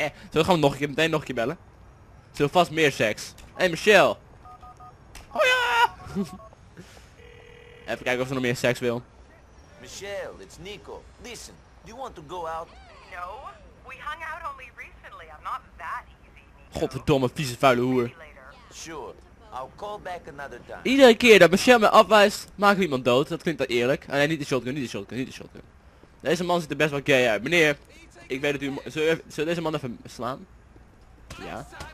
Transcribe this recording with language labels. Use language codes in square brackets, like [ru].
[nl] Zullen we gewoon meteen nog een keer bellen? Zullen we vast meer seks? Hey, Michelle. Oh ja. Even kijken of ze nog meer seks wil. [en] Michelle, it's Nico. Listen, do you want to go out? No, we hung out only recently. I'm not that easy, Nico. [nl] Godverdomme, vieze, vuile hoer. [en] Sure. I'll call back another time. [nl] Iedere keer dat Michelle me afwijst, maken we iemand dood. Dat klinkt dat eerlijk. Alleen niet de shotgun. Deze man ziet er best wel gay uit. Meneer, ik weet dat u... Zullen deze man even slaan? Ja.